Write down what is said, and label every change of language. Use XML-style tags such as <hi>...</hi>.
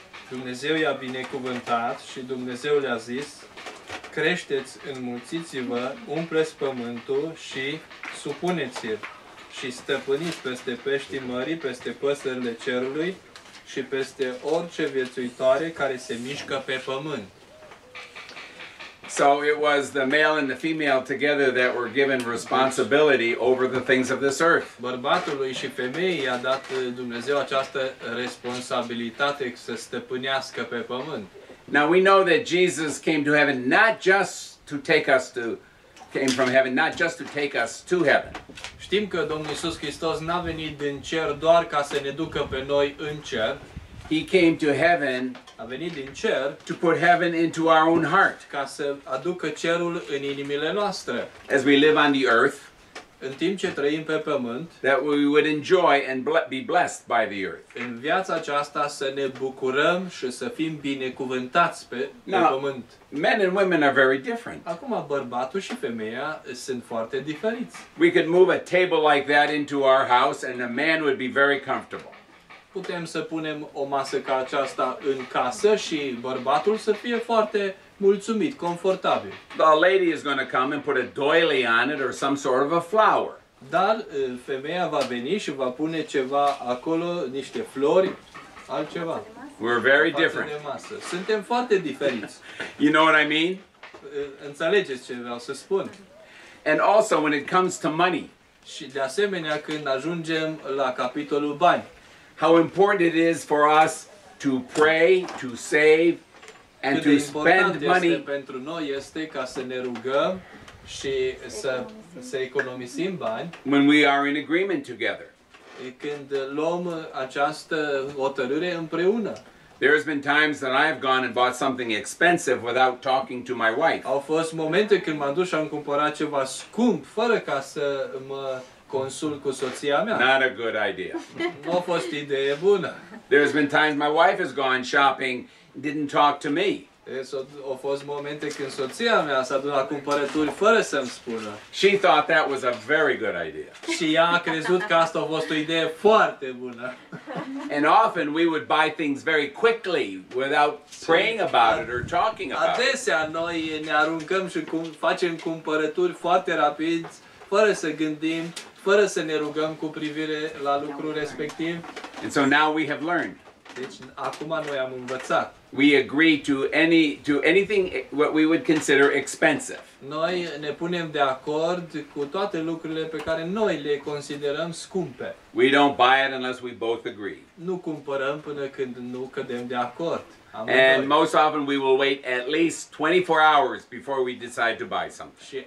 <ro>Dumnezeu i-a binecuvântat și Dumnezeu le-a zis: creșteți, înmulțiți-vă, umpleți pământul și supuneți-l și stăpâniți peste peștii mării, peste păsările cerului și peste orice viețuitoare care se mișcă pe pământ.</ro> <en>So it was the male and the female together that were given responsibility over the things of this earth.</en> <ro>Bărbatului și femeii i-a dat Dumnezeu această responsabilitate să stăpânească pe pământ.</ro> <en>Now we know that Jesus came to heaven not just to take us to came from heaven not just to take us to heaven.</en> <ro>Știm că Domnul Iisus Hristos n-a venit din cer doar ca să ne ducă pe noi în cer.</ro> <en>He came to heaven,</en> <ro>a venit din cer,</ro> <en>to put heaven into our own heart,</en> <ro>ca să aducă cerul în inimile noastre.</ro> <en>As we live on the earth,</en> <ro>în timp ce trăim pe pământ,</ro> <en>that we would enjoy and be blessed by the earth.</en> <ro>În viața aceasta să ne bucurăm și să fim binecuvântați pe pământ.</ro> <en>Men and women are very different.</en> <ro>Acum bărbatul și femeia sunt foarte diferiți.</ro> <en>We could move a table like that into our house and a man would be very comfortable.</en> <ro>Putem să punem o masă ca aceasta în casă și bărbatul să fie foarte mulțumit, confortabil.</ro> <en>The lady is going to come and put a doily on it or some sort of a flower.</en> <ro>Dar femeia va veni și va pune ceva acolo, niște flori, altceva.</ro> <en>We're very different.</en> <ro>Suntem foarte diferiți.</ro> <en>You know what I mean?</en> <ro>Înțelegeți ce vreau să spun.</ro> <en>And also when it comes to money.</en> <ro>Și de asemenea când ajungem la capitolul bani.</ro> <en>How important it is for us to pray, to save, and to spend money.</en> <ro>Este pentru noi este ca să ne rugăm și să economisim bani.</ro> <en>When we are in agreement together.</en> <ro>Când luăm această hotărâre împreună.</ro> <en>There has been times that I have gone and bought something expensive without talking to my wife.</en> <ro>Au fost momente când m-am dus și am cumpărat ceva scump fără ca să mă consult cu soția mea.</ro> <en>Not a good idea.</en> <ro>Nu a fost idee bună.</ro> <en>There's been times my wife has gone shopping, didn't talk to me.</en> <ro>Au fost momente când soția mea s-a dus la cumpărături fără să-mi spună.</ro> <en>She thought that was a very good idea.</en> <ro>Și ea a crezut că asta a fost o idee foarte bună.</ro> <en>And often we would buy things very quickly without praying about it or talking about it.</en> <ro>Adesea noi ne aruncăm și facem cumpărături foarte rapid, fără să gândim, fără să ne rugăm cu privire la lucrul respectiv.</ro> <en>And so now we have learned.</en> <ro>Deci acum noi am învățat.</ro> <en>We agree to anything what we would consider expensive.</en> <ro>Noi ne punem de acord cu toate lucrurile pe care noi le considerăm scumpe.</ro> <en>We don't buy it unless we both agree.</en> <ro>Nu cumpărăm până când nu cădem de acord.</ro> <en>And most often we will wait at least 24 hours before we decide to buy something.</en>